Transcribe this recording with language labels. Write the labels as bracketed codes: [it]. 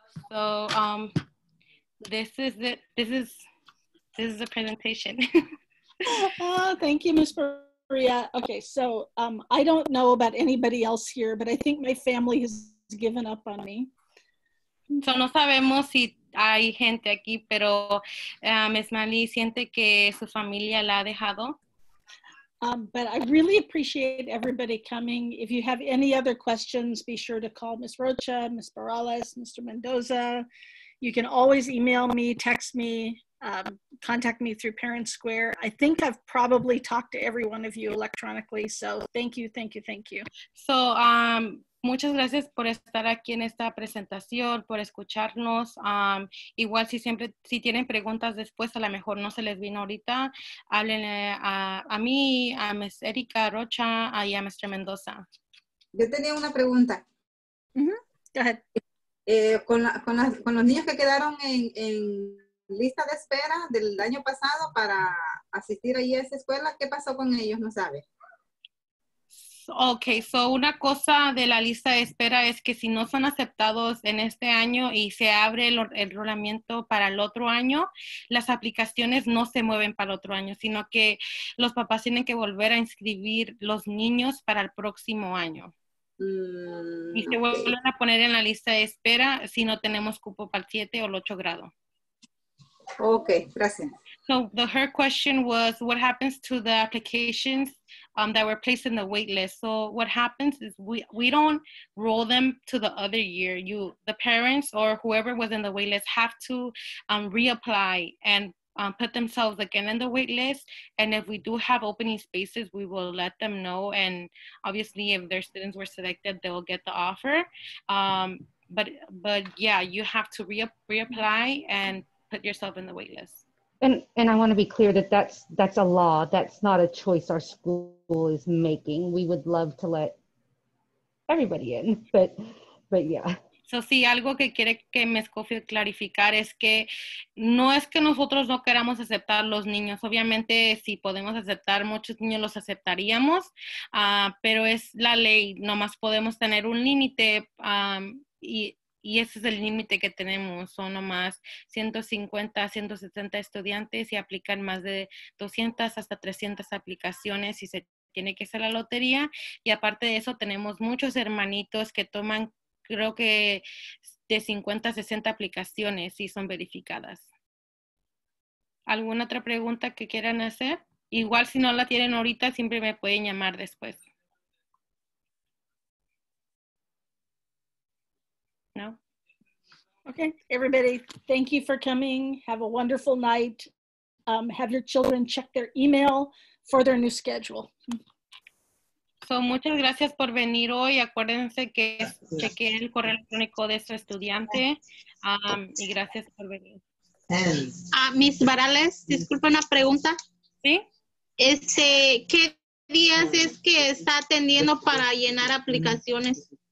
[en] So this is the presentation. Oh, thank you, Ms. Maria. Okay, so I don't know about anybody else here, but I think my family has given up on me. [es] So no sabemos si hay gente aquí, pero Ms. Mali siente que su familia la ha dejado. [en] But I really appreciate everybody coming. If you have any other questions, be sure to call Ms. Rocha, Ms. Morales, Mr. Mendoza. You can always email me, text me, contact me through Parent Square. I think I've probably talked to every one of you electronically. So thank you, thank you, thank you. [es] So, muchas gracias por estar aquí en esta presentación, por escucharnos. Igual si tienen preguntas después, a lo mejor no se les vino ahorita, háblenle a mí, a Ms. Erika Rocha y a Mr. Mendoza. Yo tenía una pregunta. [en] Uh-huh. Go ahead. [es] Con los niños que quedaron en lista de espera del año pasado para asistir ahí a esa escuela, ¿qué pasó con ellos? No sabe. Okay, so una cosa de la lista de espera es que si no son aceptados en este año y se abre el enrolamiento para el otro año, las aplicaciones no se mueven para el otro año, sino que los papás tienen que volver a inscribir los niños para el próximo año. Y se vuelven a poner en la lista de espera si no tenemos cupo para el 7 o el 8 grado. Okay, gracias. [en] So the her question was, what happens to the applications that were placed in the wait list? So what happens is we don't roll them to the other year. You, the parents or whoever was in the wait list have to reapply and put themselves again in the wait list. And if we do have opening spaces, we will let them know. And obviously if their students were selected, they will get the offer. But yeah, you have to reapply and put yourself in the wait list. And I want to be clear that that's a law. That's not a choice our school is making. We would love to let everybody in, but yeah. [es] So, sí, algo que quiere que me Scofield clarificar es que no es que nosotros no queramos aceptar los niños. Obviamente, si podemos aceptar muchos niños, los aceptaríamos. Pero es la ley. Nomás podemos tener un límite y ese es el límite que tenemos, son nomás 150, 170 estudiantes y aplican más de 200 hasta 300 aplicaciones y se tiene que hacer la lotería. Y aparte de eso, tenemos muchos hermanitos que toman, creo que de 50 a 60 aplicaciones y son verificadas. ¿Alguna otra pregunta que quieran hacer? Igual si no la tienen ahorita, siempre me pueden llamar después. No. [en] Okay, everybody, thank you for coming. Have a wonderful night. Have your children check their email for their new schedule. [es] So, muchas gracias por venir hoy. Acuérdense que chequeen el correo electrónico de su estudiante. Y gracias por venir. Miss Barales, disculpa una pregunta. Sí. ¿Qué días es que está atendiendo para llenar aplicaciones?